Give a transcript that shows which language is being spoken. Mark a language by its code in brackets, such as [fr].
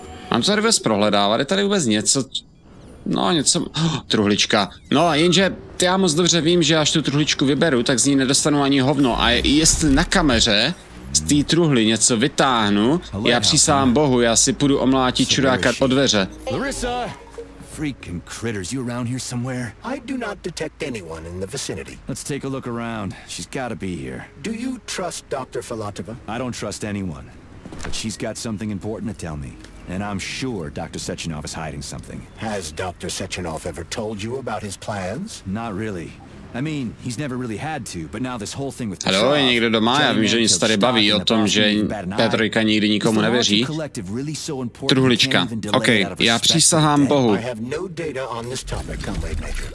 [cs] Mám to tady vůbec prohledávat, je tady vůbec něco... No, něco... Oh, truhlička. No, jenže já moc dobře vím, že až tu truhličku vyberu, tak z ní nedostanu ani hovno a jestli na kameře z té truhly něco vytáhnu, já přísahám bohu, já si půjdu omlátit čuráka od dveře. [en] Larissa! Freaking critters, you around here somewhere? I do not detect anyone in the vicinity. Let's take a look around. She's gotta be here. Do you trust Dr. Filatova? I don't trust anyone. But she's got something important to tell me. And I'm sure Dr. Sechenov is hiding something. Has Dr. Sechenov ever told you about his plans? Not really. I mean, he's never really had to, but now this whole thing with [cs] Petrov... Hello, je někdo doma? Já vím, že oni se tady baví o tom, že Petrovka nikdy nikomu nevěří. Truhlička. OK, já přísahám bohu. [en] I have no data on this topic, comrade major.